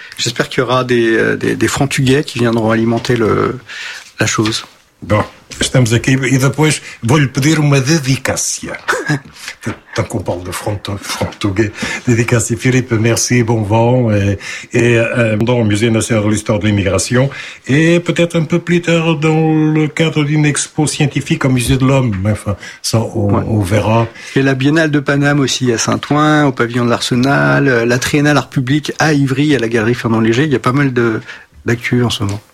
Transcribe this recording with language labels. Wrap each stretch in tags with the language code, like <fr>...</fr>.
<fr>J'espère qu'il y aura des frontuguais qui viendront alimenter la chose.</fr> <pt>Bom, estamos aqui e depois vou-lhe pedir uma dedicácia.</pt> <fr>Tant qu'on parle de frontuguais. Dedicácia, Philippe, merci, bon vent. Et dans le Musée national de l'histoire de l'immigration et peut-être un peu plus tard dans le cadre d'une expo scientifique au Musée de l'Homme. Enfin, ça, on verra. Et la Biennale de Paname aussi à Saint-Ouen, au pavillon de l'Arsenal, la Triennale Art Public à Ivry, à la Galerie Fernand Léger. Il y a pas mal d'actu en ce moment.</fr>